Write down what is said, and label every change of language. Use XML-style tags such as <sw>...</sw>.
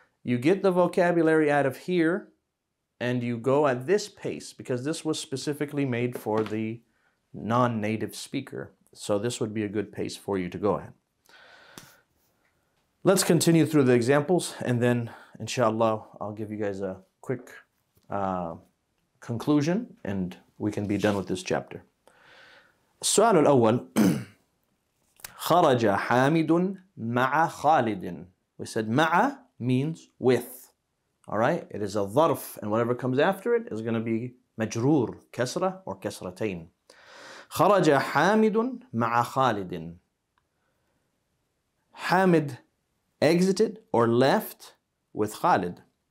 <en>You get the vocabulary out of here, and you go at this pace, because this was specifically made for the non-native speaker. So this would be a good pace for you to go at. Let's continue through the examples, and then, inshallah, I'll give you guys a quick conclusion, and we can be done with this chapter.</en> <ar>السؤال الأول خرج حامد مع خالد.</ar> <en>We said مع means with. All right, it is a ظرف, and whatever comes after it is going to be مجرور, كسرة or كسرتين.</en> <ar>خرج حامد مع خالد.</ar> <en>حامد exited or left with خالد.</en>